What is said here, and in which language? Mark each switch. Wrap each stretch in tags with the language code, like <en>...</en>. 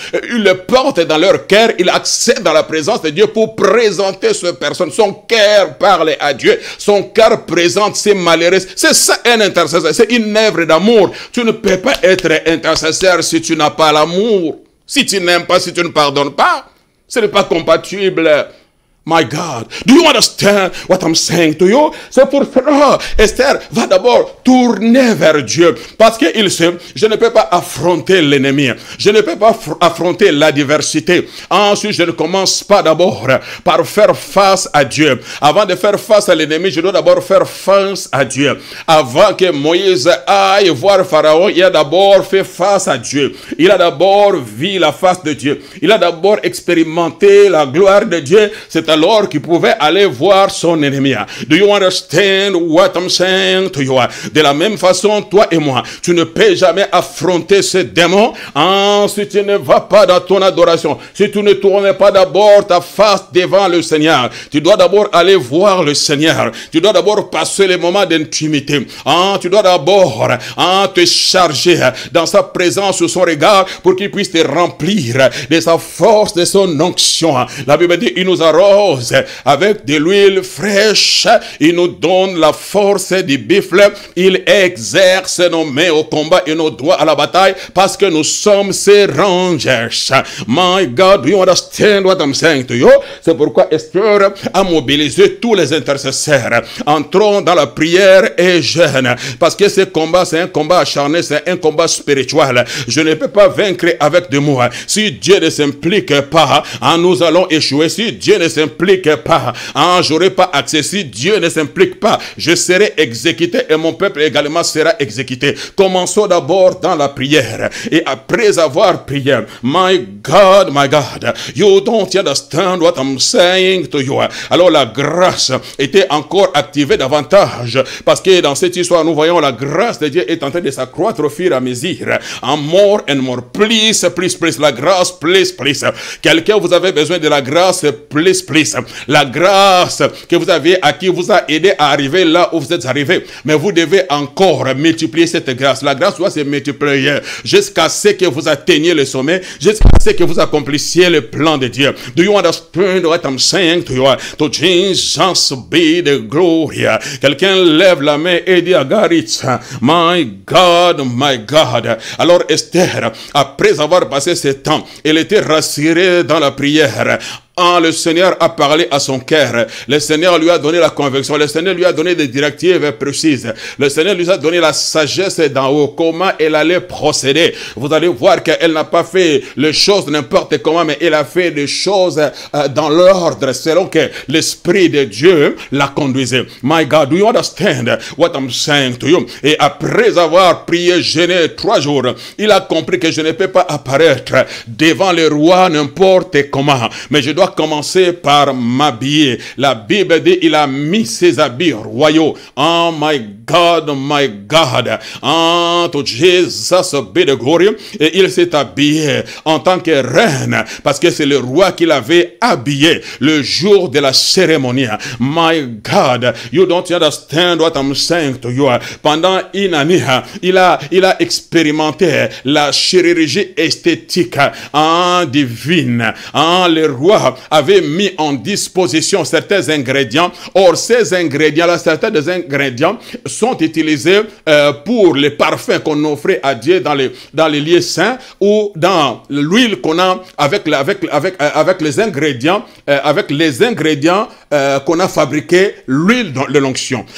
<fr>Il le porte dans leur cœur. Il accède dans la présence de Dieu pour présenter ce personne. Son cœur parle à Dieu. Son cœur présente ses malheurs. C'est ça un intercesseur. C'est une œuvre d'amour. Tu ne peux pas être intercesseur si tu n'as pas l'amour. Si tu n'aimes pas, si tu ne pardonnes pas, ce n'est pas compatible.</fr> <en>My God, do you understand what I'm saying to you?</en> <fr>C'est pour cela, Esther va d'abord tourner vers Dieu. Parce qu'il sait, je ne peux pas affronter l'ennemi. Je ne peux pas affronter l'adversité. Ensuite, je ne commence pas d'abord par faire face à Dieu. Avant de faire face à l'ennemi, je dois d'abord faire face à Dieu. Avant que Moïse aille voir Pharaon, il a d'abord fait face à Dieu. Il a d'abord vu la face de Dieu. Il a d'abord expérimenté la gloire de Dieu. C'est alors qu'il pouvait aller voir son ennemi.</fr> <en>Do you understand what I'm saying to you?</en> <fr>De la même façon, toi et moi, tu ne peux jamais affronter ce démon si tu ne vas pas dans ton adoration. Si tu ne tournes pas d'abord ta face devant le Seigneur, tu dois d'abord aller voir le Seigneur. Tu dois d'abord passer les moments d'intimité. Tu dois d'abord te charger dans sa présence sous son regard pour qu'il puisse te remplir de sa force, de son onction. La Bible dit, il nous a rose avec de l'huile fraîche, il nous donne la force du bifle, il exerce nos mains au combat et nos doigts à la bataille parce que nous sommes ses rangers.</fr> <en>My God, do you understand what I'm saying to you?</en> <fr>C'est pourquoi Esther a mobilisé tous les intercesseurs, entrant dans la prière et jeûne, parce que ce combat, c'est un combat acharné, c'est un combat spirituel. Je ne peux pas vaincre avec des mots. Si Dieu ne s'implique pas, nous allons échouer. Si Dieu ne s'implique pas, j'aurai pas accès. Si Dieu ne s'implique pas, je serai exécuté et mon peuple également sera exécuté. Commençons d'abord dans la prière. Et après avoir prié,</fr> <en>my God, you don't understand what I'm saying to you.</en> <fr>Alors la grâce était encore activée davantage. Parce que dans cette histoire, nous voyons la grâce de Dieu est en train de s'accroître au fur et à mesure. En</fr> <en>more and more.</en> <fr>Plus. La grâce, plus. Quelqu'un, vous avez besoin de la grâce, plus. La grâce que vous aviez acquise vous a aidé à arriver là où vous êtes arrivé. Mais vous devez encore multiplier cette grâce. La grâce doit se multiplier jusqu'à ce que vous atteigniez le sommet, jusqu'à ce que vous accomplissiez le plan de Dieu.</fr> <en>Do you understand what I'm saying to you? To Jesus be the glory.</en> <fr>Quelqu'un lève la main et dit à Garitz, my God. Alors Esther, après avoir passé ce temps, elle était rassurée dans la prière. Le Seigneur a parlé à son cœur. Le Seigneur lui a donné la conviction. Le Seigneur lui a donné des directives précises. Le Seigneur lui a donné la sagesse d'en haut. Comment elle allait procéder? Vous allez voir qu'elle n'a pas fait les choses n'importe comment, mais elle a fait les choses dans l'ordre selon que l'Esprit de Dieu la conduisait.</fr> <en>My God, do you understand what I'm saying to you?</en> <fr>Et après avoir prié, jeûné 3 jours, il a compris que je ne peux pas apparaître devant le roi n'importe comment, mais je doit commencer par m'habiller. La Bible dit, il a mis ses habits royaux.</fr> <en>Oh my God. To Jesus be the glory.</en> <fr>Et il s'est habillé en tant que reine, parce que c'est le roi qui l'avait habillé le jour de la cérémonie.</fr> <en>My God, you don't understand what I'm saying to you.</en> <fr>Pendant une année, il a expérimenté la chirurgie esthétique divine. Le roi avait mis en disposition certains ingrédients. Or, ces ingrédients-là, certains des ingrédients sont utilisés pour les parfums qu'on offrait à Dieu dans les lieux saints ou dans l'huile qu'on a avec les ingrédients qu'on a fabriqué l'huile de l'onction.</fr>